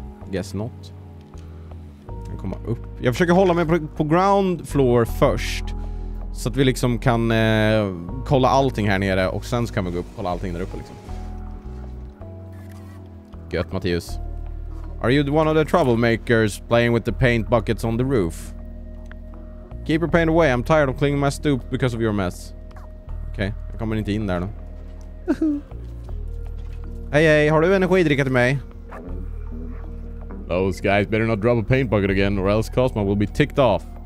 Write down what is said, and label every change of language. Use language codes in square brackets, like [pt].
[en] Guess not. [sv] Kan komma upp. Jag försöker hålla mig på ground floor först. Så att vi liksom kan kolla allting här nere. Och sen så kan vi gå upp och kolla allting där uppe liksom. Gött, Mattias. [en] Are you one of the troublemakers playing with the paint buckets on the roof? Keep your paint away. I'm tired of cleaning my stoop because of your mess. [sv] Okej, okay. Jag kommer inte in där då. Hej, hej. Har du energidricka till mig? [en] Those guys better not drop a paint bucket again or else Cosmo will be ticked off.